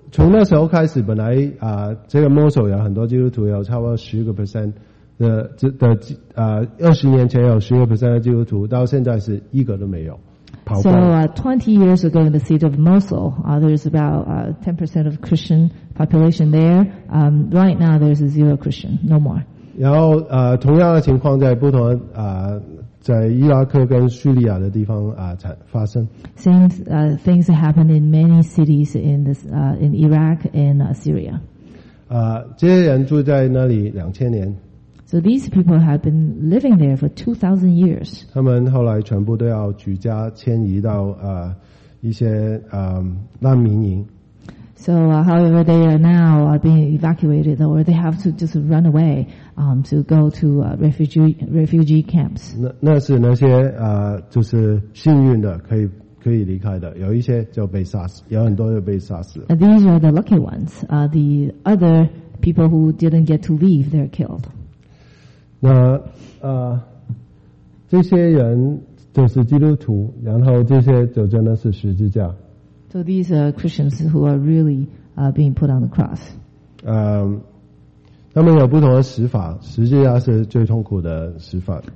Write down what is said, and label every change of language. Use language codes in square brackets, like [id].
[zh] 从那时候开始，本来这个摩索有很多基督徒，有差不多10% 的20年前有10% 的基督徒，到现在是一个都没有，跑光。 [en] So 20 years ago in the city of Mosul, there's about 10% of Christian population there. Right now there's zero Christian, no more. [zh] 然后同样的情况在不同在伊拉克跟叙利亚的地方发生。 [en] Same things happen in many cities in Iraq and Syria. [zh] 这些人住在那里2000年。 [en] So these people have been living there for 2,000 years. [zh] 他们后来全部都要举家迁移到一些难民营。 [en] So however, they are now being evacuated, or they have to just run away to go to refugee camps. [zh] 那是那些就是幸运的可以离开的，有一些就被杀死，有很多就被杀死了。 [en] These are the lucky ones. The other people who didn't get to leave, they're killed. [zh] 那这些人就是基督徒，然后这些就真的是十字架。 [en] So these are Christians who are really being put on the cross. [zh] 他们有不同的死法，实际上是最痛苦的死法。